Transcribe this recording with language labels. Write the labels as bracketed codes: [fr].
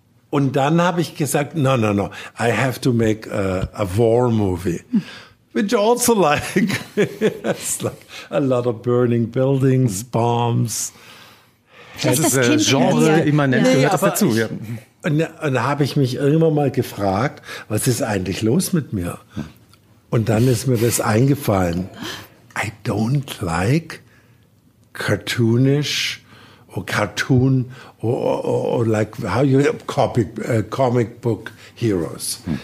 [de] Und dann habe ich gesagt, [en] no, I have to make a war movie. Which also like, it's like a lot of burning buildings, bombs. [de] Das ist Genre immanent, ja. Gehört das dazu. Ja. Und da habe ich mich irgendwann mal gefragt, was ist eigentlich los mit mir? Und dann ist mir das eingefallen. [en] I don't like cartoonish or cartoon or like how you comic book heroes.